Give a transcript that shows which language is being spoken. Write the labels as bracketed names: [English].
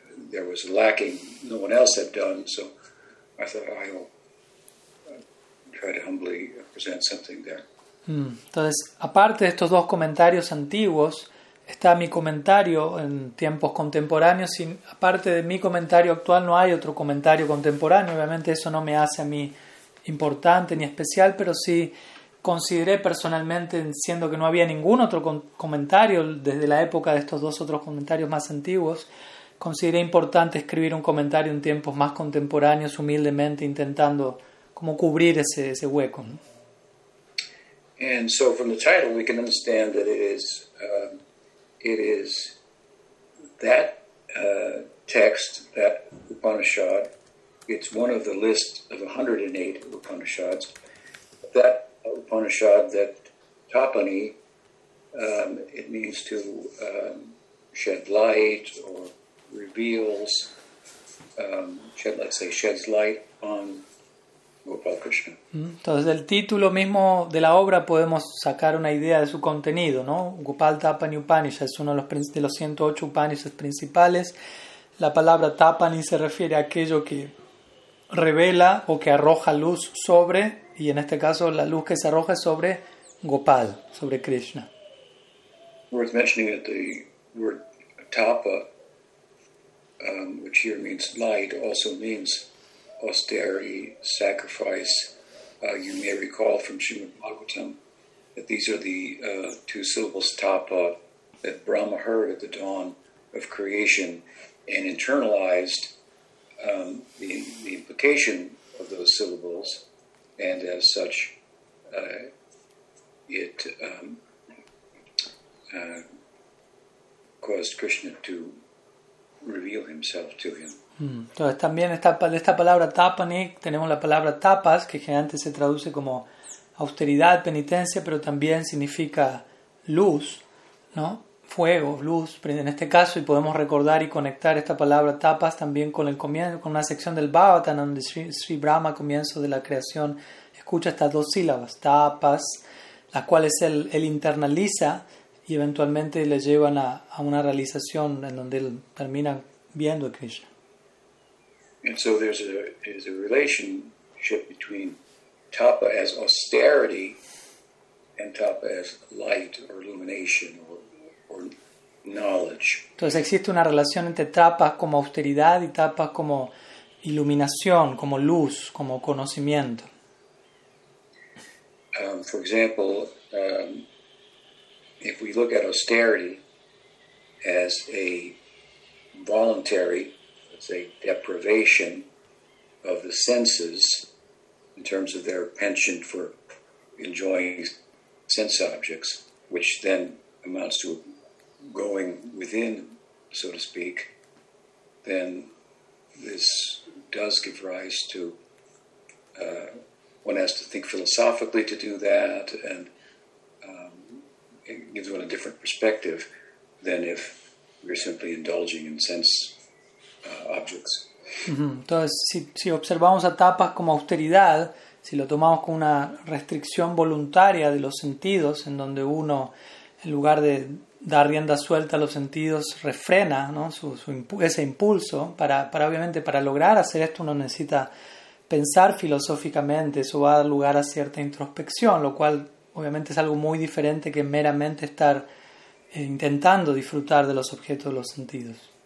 [English] There was lacking; no one else had done so. I thought I will try to humbly present something there. [Spanish] Entonces, aparte de estos dos comentarios antiguos, está mi comentario en tiempos contemporáneos. Y aparte de mi comentario actual, no hay otro comentario contemporáneo. Obviamente, eso no me hace a mí importante ni especial, pero sí consideré personalmente, siendo que no había ningún otro comentario desde la época de estos dos otros comentarios más antiguos, consideré importante escribir un comentario en tiempos más contemporáneos, humildemente intentando como cubrir ese hueco, ¿no? [English] And so from the title we can understand that it is that text, that Upanishad. It's one of the list of 108 Upanishads. That Upanishad, that Tapani, it means to shed light or reveals, sheds light on Gopal Krishna. [Spanish] Entonces, del título mismo de la obra podemos sacar una idea de su contenido, ¿no? Gopal Tapani Upanishad es uno de los 108 Upanishads principales. La palabra Tapani se refiere a aquello que revela o que arroja luz sobre, y en este caso la luz que se arroja es sobre Gopal, sobre Krishna. [English] Worth mentioning that the word tapa, which here means light, also means austerity, sacrifice. You may recall from Srimad Bhagavatam that these are the two syllables tapa that Brahma heard at the dawn of creation and internalized. The implication of those syllables, and as such, caused Krishna to reveal himself to him. [Spanish] Entonces también esta palabra tapani, tenemos la palabra tapas, que generalmente se traduce como austeridad, penitencia, pero también significa luz, ¿no? Fuego, luz, en este caso, y podemos recordar y conectar esta palabra tapas también con el comienzo, con una sección del Bhagavatam donde Sri Brahma, comienzo de la creación, escucha estas dos sílabas, tapas, las cuales él internaliza y eventualmente le llevan a una realización en donde él termina viendo a Krishna. [English] And so there's a relationship between tapa as austerity and tapa as light or illumination or knowledge. [Spanish] Entonces existe una relación entre tapas como austeridad y tapas como iluminación, como luz, como conocimiento. [English] For example, if we look at austerity as a voluntary, let's say, deprivation of the senses in terms of their penchant for enjoying sense objects, which then amounts to going within, so to speak, then this does give rise to, one has to think philosophically to do that, and it gives one a different perspective than if we're simply indulging in sense objects. [Spanish] Entonces, si observamos a tapas como austeridad, si lo tomamos como una restricción voluntaria de los sentidos, en donde uno, en lugar de dar rienda suelta a los sentidos, refrena, ¿no?, ese impulso para obviamente para lograr hacer esto uno necesita pensar filosóficamente, eso va a dar lugar a cierta introspección, lo cual obviamente es algo muy diferente que meramente estar intentando disfrutar de los objetos de los sentidos.